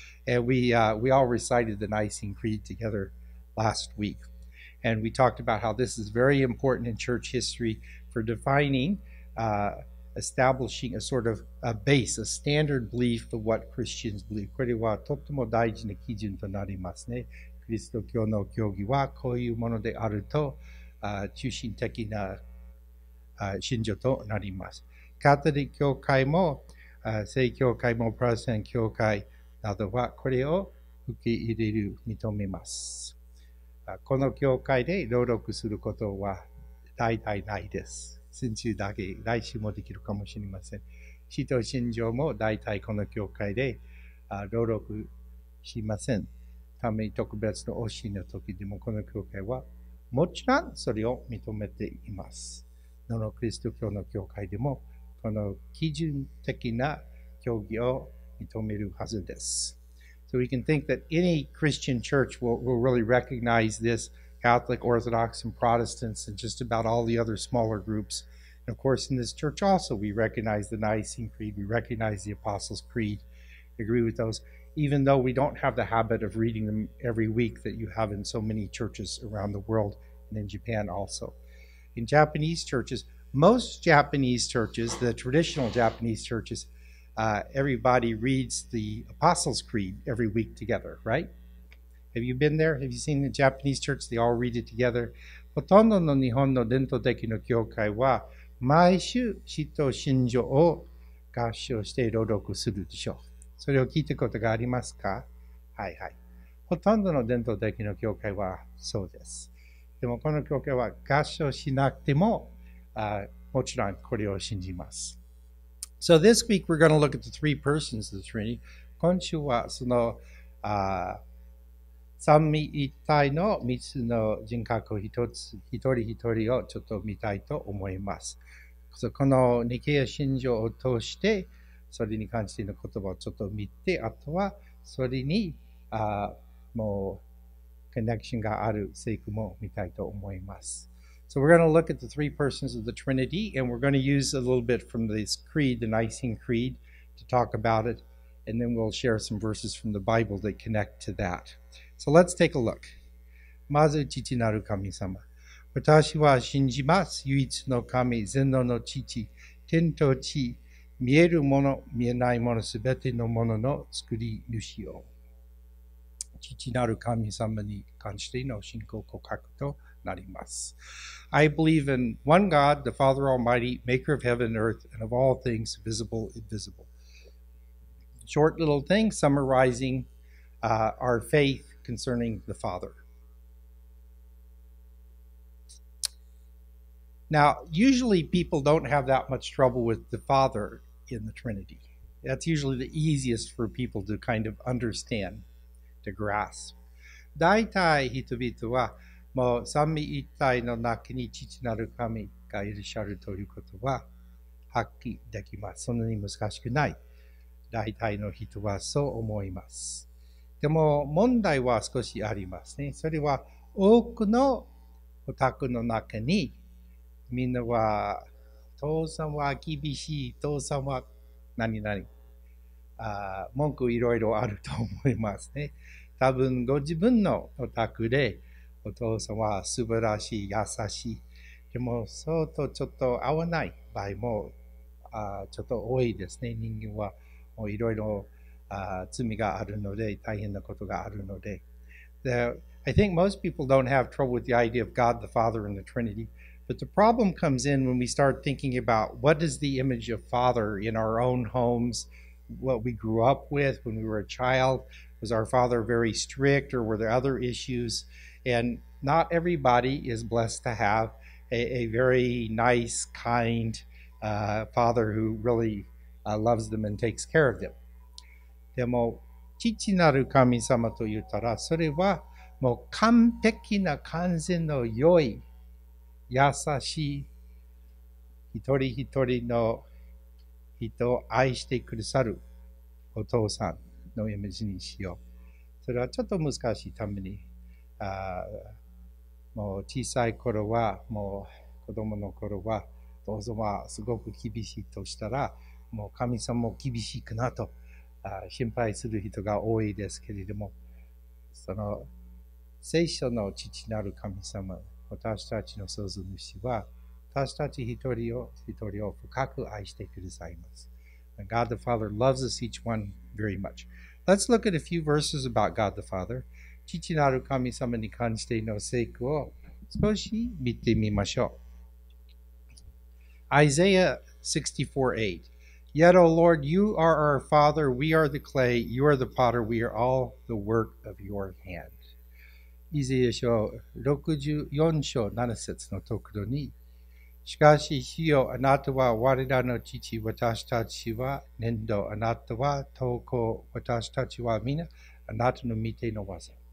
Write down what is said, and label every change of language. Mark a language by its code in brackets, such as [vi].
[en] And we all recited the Nicene Creed together last week. And we talked about how this is very important in church history for defining, establishing a sort of a base, a standard belief of what Christians believe. [ja] これはとても大事な基準となりますね。キリスト教の教義はこういうものであると、中心的な、信条となります。カトリック教会も、正教会もプロテスタント教会などはこれを受け入れる、認めます。この教会で朗読することは大体ないです。先週だけ来週もできるかもしれません。使徒信条もだいたいこの教会で朗読しません。ために特別の教えの時でもこの教会はもちろんそれを認めています。どのキリスト教の教会でもこの基準的な教義を認めるはずです。 [en] So we can think that any Christian church will really recognize this. Catholic, Orthodox, and Protestants, and just about all the other smaller groups. And of course, in this church also, we recognize the Nicene Creed, we recognize the Apostles' Creed, agree with those, even though we don't have the habit of reading them every week that you have in so many churches around the world, and in Japan also. In Japanese churches, most Japanese churches, the traditional Japanese churches, everybody reads the Apostles' Creed every week together, right? Have you been there? Have you seen the Japanese church? They all read it together. [ja] ほとんどの日本の伝統的な教会は毎週使徒信条を合唱して朗読するでしょう。それを聞いたことがありますか？はいはい。ほとんどの伝統的な教会はそうです。でもこの教会は合唱しなくても、もちろんこれを信じます。 [en] So this week we're going to look at the three persons of the Trinity. [ja] 今週はその、三位一体の三つの人格を一人一人をちょっと見たいと思います。 So, このニケア信条を通して、それに関しての言葉をちょっと見て、あとはそれに、もうコネクションがある聖句も見たいと思います。 [en] So we're going to look at the three persons of the Trinity, and we're going to use a little bit from this creed, the Nicene Creed, to talk about it, and then we'll share some verses from the Bible that connect to that. So let's take a look. [ja] まず、父なる神様。私は信じます。唯一の神、全能の父。天と地、見えるもの、見えないもの、すべてのものの作り主よ。父なる神様に関しての信仰告白となります。 [en] I believe in one God, the Father Almighty, maker of heaven and earth, and of all things visible and invisible. Short little thing summarizing, our faith concerning the Father. Now, usually people don't have that much trouble with the Father in the Trinity. That's usually the easiest for people to kind of understand, to grasp. [ja] 大体人々はもう三位一体の中に父なる神がいらっしゃるということは発揮できます。そんなに難しくない。大体の人はそう思います。でも問題は少しありますね。それは多くのお宅の中にみんなは父さんは厳しい、父さんは何々。文句いろいろあると思いますね。多分ご自分のお宅でお父さんは素晴らしい、優しい。でも、そうとちょっと合わない場合も、ちょっと多いですね。人間はもういろいろ罪があるので、大変なことがあるので。 [en] The, I think most people don't have trouble with the idea of God the Father and the Trinity, but the problem comes in when we start thinking about what is the image of Father in our own homes, what we grew up with when we were a child. Was our Father very strict or were there other issues? And not everybody is blessed to have a very nice, kind father who really loves them and takes care of them. [ja] でも、父なる神様と言ったら、それはもう完璧な完全の良い、優しい、一人一人の人を愛してくださるお父さんのイメージにしよう。それはちょっと難しいために。もう小さい頃はもう子供の頃はどうぞまあすごく厳しいとしたらもう神様も厳しいかなと心配する人が多いですけれどもその聖書の父なる神様私たちの創造主は私たち一人を深く愛してくださいます [en] And God the Father loves us each one very much Let's look at a few verses about God the Father [ja] 父なる神様に関しての聖句を少し見てみましょう。 [en] Isaiah 64:8 Yet, O Lord, you are our Father, we are the clay, you are the potter, we are all the work of your hand. [ja] イザヤ書64章7節のところに、しかし、主よ、あなたは我らの父、私たちは粘土、あなたは陶工、私たちは皆、あなたの御手の技。